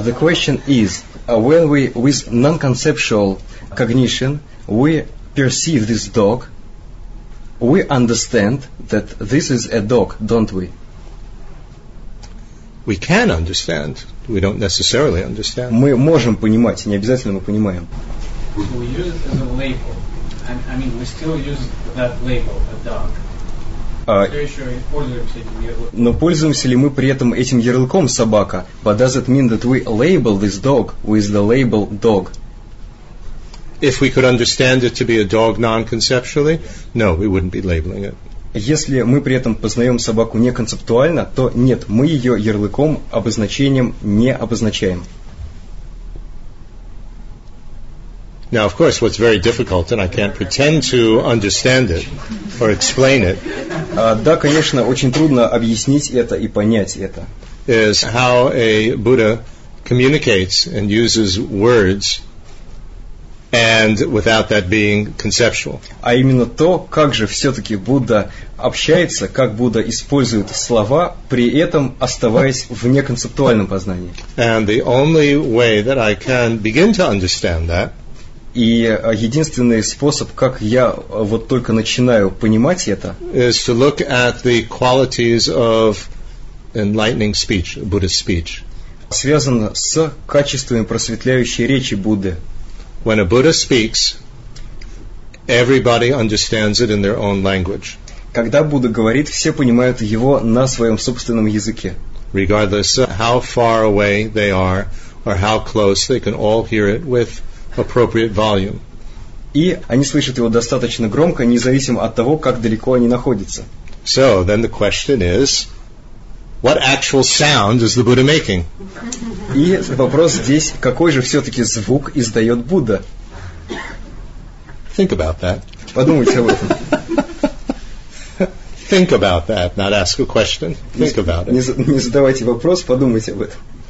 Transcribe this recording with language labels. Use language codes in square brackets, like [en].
[en] The question is, when we with non-conceptual cognition we perceive this dog, we understand that this is a dog, don't we? We can understand. We don't necessarily understand. [ru] Мы можем понимать, не обязательно мы понимаем. [en] So we use it as a label. I mean, we still use that label, a dog. [ru] Все еще пользуемся этим ярлыком. Но пользуемся ли мы при этом этим ярлыком собака? [en] But does it mean that we label this dog with the label dog? If we could understand it to be a dog non-conceptually, no, we wouldn't be labeling it. [ru] Если мы при этом познаем собаку неконцептуально, то нет, мы ее ярлыком, обозначением не обозначаем. [en] Now, of course, what's very difficult, and I can't pretend to understand it or explain it. [ru] Да, конечно, очень трудно объяснить это и понять это. [en] Is how a Buddha communicates and uses words, and without that being conceptual. [ru] А именно то, как же все-таки Будда общается, как Будда использует слова, при этом оставаясь в неконцептуальном познании. [en] And the only way that I can begin to understand that. [ru] И единственный способ, как я вот только начинаю понимать это, [en] is to look at the qualities of enlightening speech, Buddhist speech. [ru] Связан с качествами просветляющей речи Будды. [en] When a Buddha speaks, everybody understands it in their own language. [ru] Когда Будда говорит, все понимают его на своем собственном языке. [en] Regardless of how far away they are or how close, they can all hear it with appropriate volume. [ru] И они слышат его достаточно громко, независимо от того, как далеко они находятся. [en] So, then the question is, what actual sound is the Buddha making? [ru] И вопрос здесь, какой же все-таки звук издает Будда? [en] Think about that. [ru] Подумайте об этом. [en] Think about that, not ask a question. Think about it. [ru] Не задавайте вопрос, подумайте об этом.